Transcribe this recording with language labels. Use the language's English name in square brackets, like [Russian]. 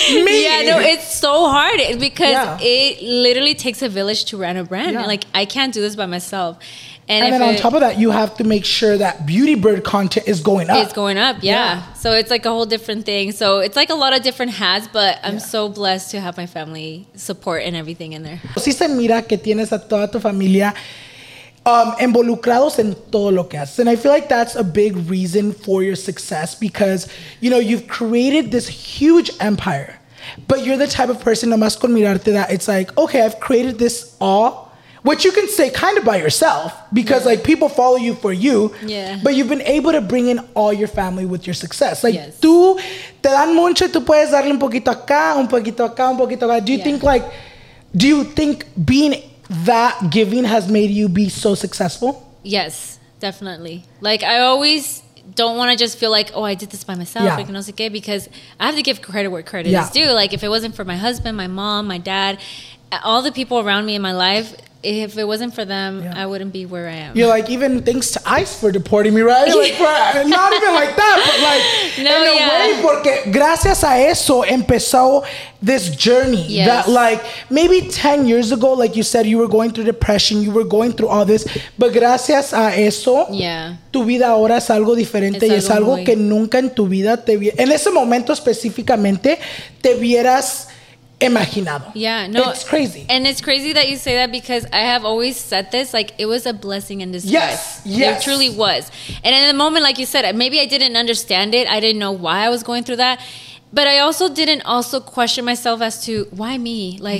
[English] Yeah, no, it's so hard, because it literally takes a village to run a brand. Yeah. Like, I can't do this by myself. And then on top of that, you have to make sure that Beauty Bird content is going up. It's going up, So it's like a whole different thing. So it's like a lot of different hats, but I'm so blessed to have my family support and everything in there. [Spanish] Si se mira que tienes a toda tu familia involucrados en todo lo que haces. [English] And I feel like that's a big reason for your success, because, you know, you've created this huge empire, but you're the type of person, [Spanish] nomás con mirarte, [English] that it's like, okay, I've created this all. Which you can say kind of by yourself, because like people follow you for you, but you've been able to bring in all your family with your success. [Spanish] Like tú, te dan mucho, tú puedes darle un poquito acá, un poquito acá, un poquito acá. [English] Do you think like, do you think being that giving has made you be so successful? Yes, definitely. Like I always don't want to just feel like, oh, I did this by myself, like, [Spanish] no sé qué, [English] because I have to give credit where credit is due. Like if it wasn't for my husband, my mom, my dad, all the people around me in my life, if it wasn't for them, yeah, I wouldn't be where I am. You're like, even thanks to ICE for deporting me, right? Like, for, not even like that, but like, no, in yeah, a way, [Spanish] porque gracias a eso empezó [English] this journey. Yes. That like, maybe 10 years ago, like you said, you were going through depression, you were going through all this, but [Spanish] gracias a eso, [English] yeah, [Spanish] tu vida ahora es algo diferente, es y algo es algo muy... que nunca en tu vida te vi- en ese momento específicamente te vieras... imaginado. [English] Yeah, no, it's crazy. And it's crazy that you say that because I have always said this, like, it was a blessing in disguise. Yes, yes. It truly was. And in the moment, like you said, maybe I didn't understand it. I didn't know why I was going through that. But I also didn't also question myself as to why me? Like,